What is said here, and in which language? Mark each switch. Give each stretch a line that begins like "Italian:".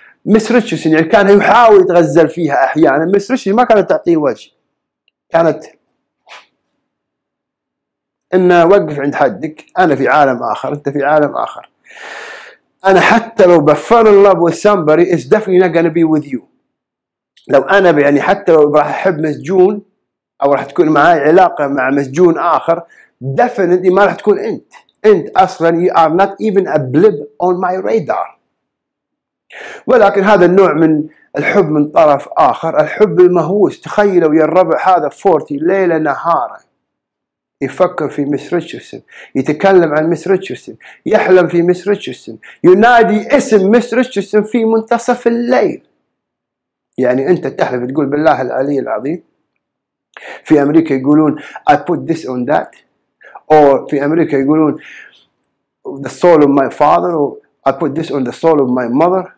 Arabic: مس ريتشاردسون يعني كان يحاول يتغزل فيها أحيانا، مس ريتشاردسون ما كانت تعطيه وجه، كانت إنه وقف عند حدك، أنا في عالم آخر، أنت في عالم آخر، أنا حتى لو بفر الله والسامبري
English: is definitely not gonna be with you.
Arabic: لو أنا يعني حتى لو راح أحب مسجون أو راح تكون معاي علاقة مع مسجون آخر، definitely ما راح تكون أنت. أنت أصلاً
English: you are not even a blip on my radar.
Arabic: ولكن هذا النوع من الحب من طرف آخر، الحب المهووس. تخيلوا يا الربع هذا 40 ليلة نهارة يفكر في مس ريتشاردسون، يتكلم عن مس ريتشاردسون، يحلم في مس ريتشاردسون، ينادي اسم مس ريتشاردسون في منتصف الليل. يعني انت تحلم تقول بالله العلي العظيم، في امريكا يقولون
English: I put this on that،
Arabic: or في امريكا يقولون
English: the soul of my father، I put this on the soul of my mother.